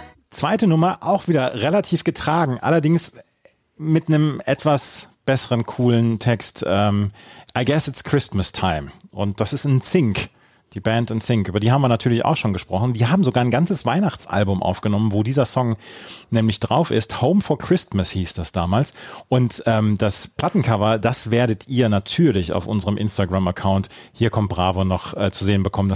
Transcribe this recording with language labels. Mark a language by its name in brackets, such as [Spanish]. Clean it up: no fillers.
[German] Zweite Nummer, auch wieder relativ getragen, allerdings mit einem etwas besseren, coolen Text. [English] I guess it's Christmas time. [German] Und das ist NSYNC, die Band NSYNC. Über die haben wir natürlich auch schon gesprochen. Die haben sogar ein ganzes Weihnachtsalbum aufgenommen, wo dieser Song nämlich drauf ist. Home for Christmas hieß das damals. Und das Plattencover, das werdet ihr natürlich auf unserem Instagram-Account Hier kommt Bravo noch zu sehen bekommen.